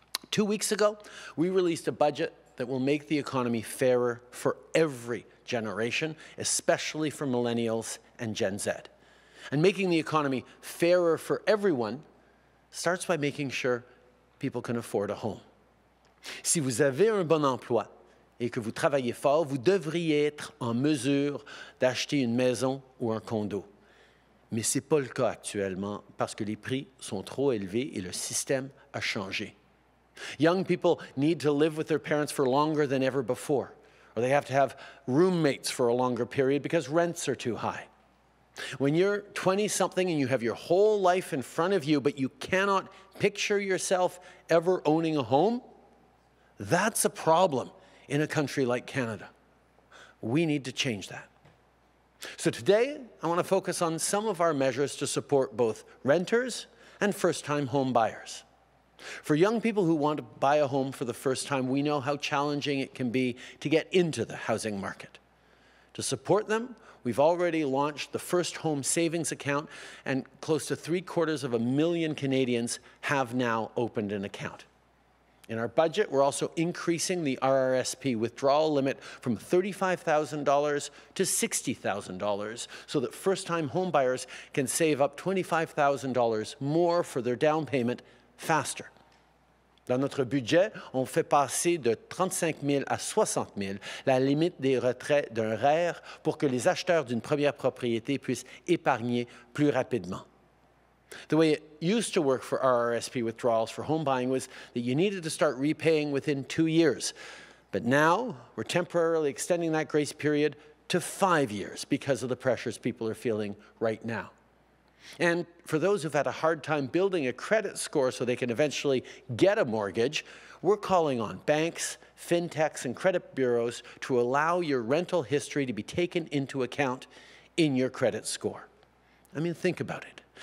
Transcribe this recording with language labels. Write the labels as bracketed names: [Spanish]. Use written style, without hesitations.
[English] 2 weeks ago, we released a budget that will make the economy fairer for every generation, especially for millennials and Gen Z. And making the economy fairer for everyone starts by making sure people can afford a home. [French] Si vous avez un bon emploi, et que vous travaillez fort, vous devriez être en mesure d'acheter une maison ou un condo. Mais ce n'est pas le cas actuellement parce que les prix sont trop élevés et le système a changé. [English] Young people need to live with their parents for longer than ever before, or they have to have roommates for a longer period because rents are too high. When you're 20-something and you have your whole life in front of you, but you cannot picture yourself ever owning a home, that's a problem. In a country like Canada, we need to change that. So today, I want to focus on some of our measures to support both renters and first-time home buyers. For young people who want to buy a home for the first time, we know how challenging it can be to get into the housing market. To support them, we've already launched the first home savings account, and close to 750,000 Canadians have now opened an account. In our budget, we're also increasing the RRSP withdrawal limit from $35,000 to $60,000 so that first-time homebuyers can save up $25,000 more for their down payment faster. [French] Dans notre budget, on fait passer de 35 000 à 60 000 la limite des retraits d'un REER pour que les acheteurs d'une première propriété puissent épargner plus rapidement. [English] The way it used to work for RRSP withdrawals for home buying was that you needed to start repaying within 2 years. But now, we're temporarily extending that grace period to 5 years because of the pressures people are feeling right now. And for those who've had a hard time building a credit score so they can eventually get a mortgage, we're calling on banks, fintechs, and credit bureaus to allow your rental history to be taken into account in your credit score. I mean, think about it.